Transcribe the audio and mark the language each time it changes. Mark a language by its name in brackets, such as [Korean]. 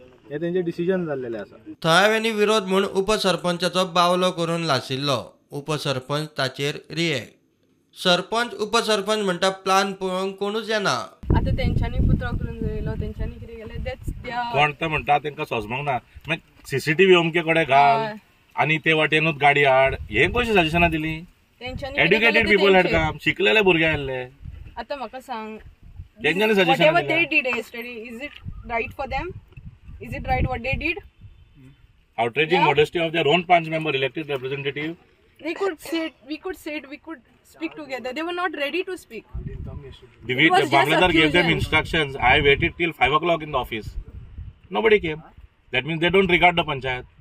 [Konkani] हे तेंचे डिसिजन जाल्लेले आसा. थळाव्यांनी विरोध म्हूण उपसरपंचाचो बावलो करून लाशिल्लो. उपसरपंच ताचेर रिएक्ट. सरपंच उपसरपंच म्हणटा प्लान पळोवंक कोणूच येना. आतां तेंच्यांनी पुत्र करून जयलो, तेंच्यांनी कितें केलें तेच कोण तें म्हणटा तेंकां सोजमंक ना. CCTV अमके कडेन घाल आणि ते वाटेनूच गाडी हाड, हे कशी सजेशनां दिली? एड्युकेटेड पीपल हॅड काम, शिकलेले भुरगे आहले. आता म्हाका सांग, तेंच्यांनी suggestion [English] What they did yesterday, is it right for them? Is it right what they did? Outraging modesty of their own 5 member elected representative. They could sit, we could sit, we could speak together. They were not ready to speak. The Bangladesh gave them instructions. I waited till 5 o'clock in the office. Nobody came. That means they don't regard the panchayat.